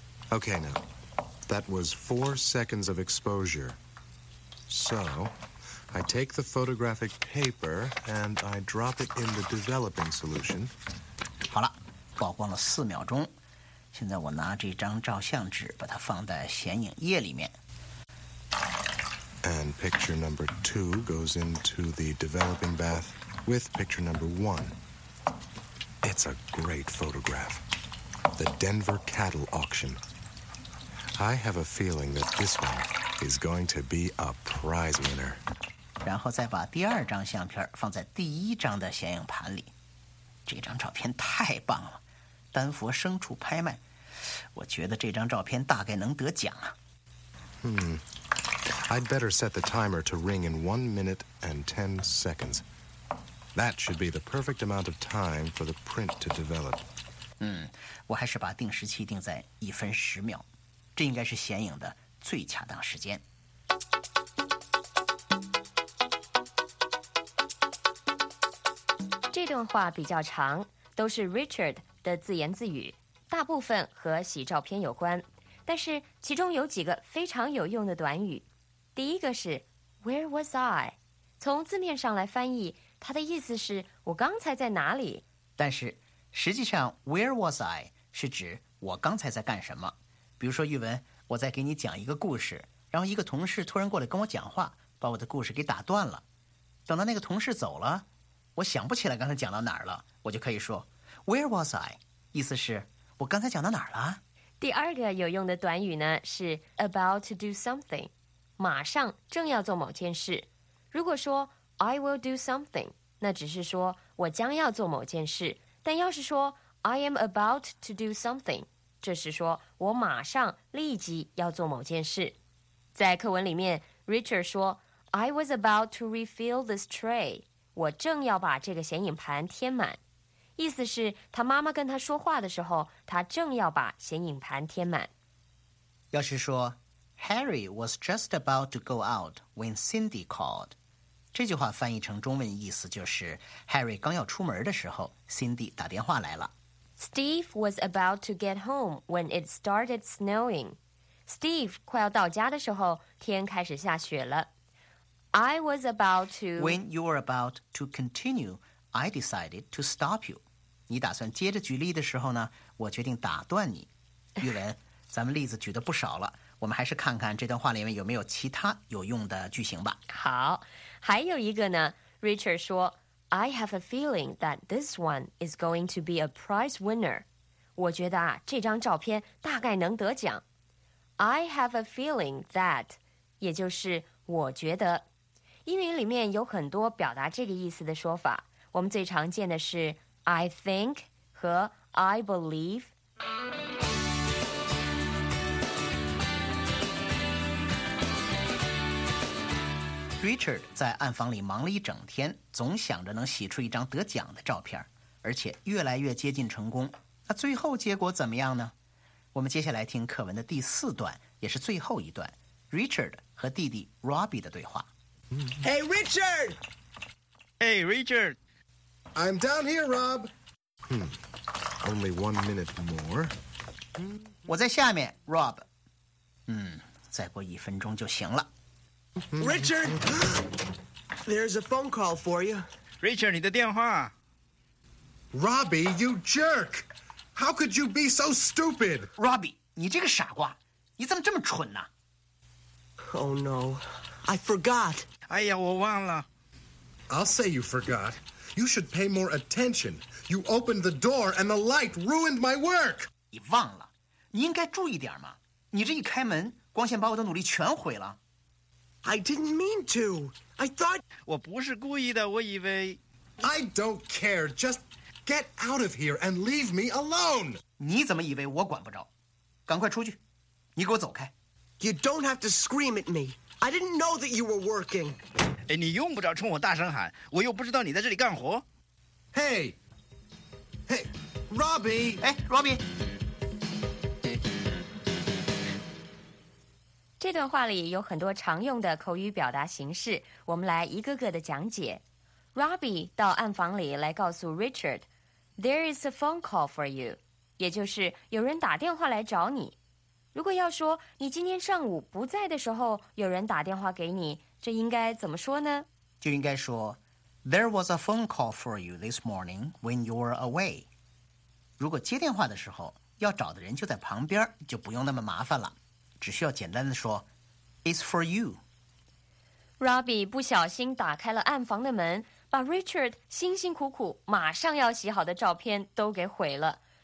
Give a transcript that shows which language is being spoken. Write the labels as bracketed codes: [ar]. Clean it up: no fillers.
[en] Okay, now, that was 4 seconds of exposure. So, I take the photographic paper and I drop it in the developing solution. [zh] 好了，曝光了4秒钟。现在我拿这张照相纸，把它放在显影液里面。 [en] And picture number 2 goes into the developing bath with picture number 1. It's a great photograph. The Denver cattle auction. I have a feeling that this one is going to be a prize winner. [zh] 然后再把第二张相片放在第一张的显影盘里。这张照片太棒了，丹佛牲畜拍卖。我觉得这张照片大概能得奖啊。 [en] I'd better set the timer to ring in 1 minute and 10 seconds. That should be the perfect amount of time for the print to develop. [zh] 我还是把定时器定在1分10秒，这应该是显影的最恰当时间。这段话比较长，都是 Richard 的自言自语，大部分和洗照片有关，但是其中有几个非常有用的短语。第一个是 [en] Where was I? [zh] 从字面上来翻译，他的意思是我刚才在哪里，但是实际上 [en] Where was I [zh] 是指我刚才在干什么。比如说玉文，我在给你讲一个故事，然后一个同事突然过来跟我讲话，把我的故事给打断了。等到那个同事走了，我想不起来刚才讲到哪儿了，我就可以说 [en] Where was I， [zh] 意思是我刚才讲到哪儿了。第二个有用的短语呢是 [en] about to do something， [zh] 马上正要做某件事。如果说 [en] I will do something， [zh] 那只是说我将要做某件事，但要是说 [en] I am about to do something， [zh] 这是说我马上立即要做某件事。在课文里面， Richard 说 [en] I was about to refill this tray， [zh] 我正要把这个显影盘填满，意思是他妈妈跟他说话的时候，他正要把显影盘填满。要是说 [en] Harry was just about to go out when Cindy called， [zh] 这句话翻译成中文意思就是 Harry 刚要出门的时候 Cindy 打电话来了。 [en] Steve was about to get home when it started snowing. [zh] Steve 快要到家的时候天开始下雪了。 [en] I was about to When you were about to continue, I decided to stop you. [zh] 你打算接着举例的时候呢，我决定打断你。玉文，咱们例子举得不少了，我们还是看看这段话里面有没有其他有用的句型吧。好，还有一个呢， Richard 说 [en] I have a feeling that this one is going to be a prize winner. [zh] 我觉得啊，这张照片大概能得奖。 [en] I have a feeling that， [zh] 也就是我觉得。英语里面有很多表达这个意思的说法，我们最常见的是 [en] I think [zh] 和 [en] I believe。 [zh] Richard 在暗房里忙了一整天，总想着能洗出一张得奖的照片，而且越来越接近成功。那最后结果怎么样呢？我们接下来听课文的第四段，也是最后一段 ，Richard 和弟弟 Robbie 的对话。 [en] Hey Richard! Hey Richard! I'm down here, Rob. Only 1 minute more. [zh] 我在下面 ，Rob。再过一分钟就行了。 [en] Richard, there's a phone call for you. [zh] Richard, 你的电话。 [en] Robbie, you jerk! How could you be so stupid? [zh] Robbie, 你这个傻瓜，你怎么这么蠢呢？ [en] Oh no, I forgot. [zh] 哎呀，我忘了。 [en] I'll say you forgot. You should pay more attention. You opened the door and the light ruined my work. [zh] 你忘了，你应该注意点嘛。你这一开门，光线把我的努力全毁了。 [en] I didn't mean to. I thought... [zh] 我不是故意的，我以为... [en] I don't care. Just get out of here and leave me alone. [zh] 你怎么以为我管不着？赶快出去，你给我走开。 [en] You don't have to scream at me. I didn't know that you were working. [zh] 哎，你用不着冲我大声喊，我又不知道你在这里干活。 [en] Hey! Hey, Robbie! [zh] 哎，Robbie! 这段话里有很多常用的口语表达形式，我们来一个个的讲解。 Robbie 到暗房里来告诉 Richard, [en] There is a phone call for you, [zh] 也就是有人打电话来找你。如果要说你今天上午不在的时候有人打电话给你，这应该怎么说呢？就应该说 [en] There was a phone call for you this morning when you were away. [zh] 如果接电话的时候要找的人就在旁边，就不用那么麻烦了。只需要简单的说 [en] It's for you. [zh] Robbie 不小心打开了暗房的门，把 Richard 辛辛苦苦马上要洗好的照片都给毁了。